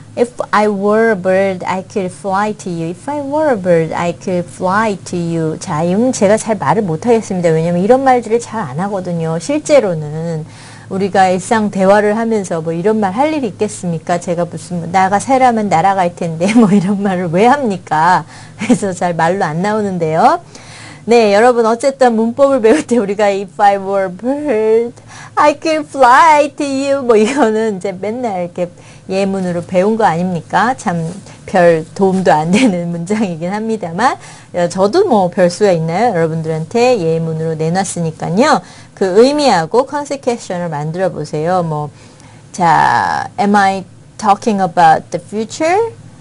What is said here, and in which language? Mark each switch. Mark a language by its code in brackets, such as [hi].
[en] If I were a bird, I could fly to you. If I were a bird, I could fly to you. [ko] 자, 이건 제가 잘 말을 못하겠습니다. 왜냐면 이런 말들을 잘 안 하거든요. 실제로는 우리가 일상 대화를 하면서 뭐 이런 말 할 일이 있겠습니까? 제가 무슨 나가 새라면 날아갈 텐데 뭐 이런 말을 왜 합니까? 그래서 잘 말로 안 나오는데요. 네, 여러분 어쨌든 문법을 배울 때 우리가 [en] If I were a bird, I could fly to you. [ko] 뭐 이거는 이제 맨날 이렇게 예문으로 배운 거 아닙니까? 참 별 도움도 안 되는 문장이긴 합니다만 저도 뭐 별 수가 있나요? 여러분들한테 예문으로 내놨으니까요. 그 의미하고 concept question을 만들어 보세요. 뭐 자, [en] am I talking about the future?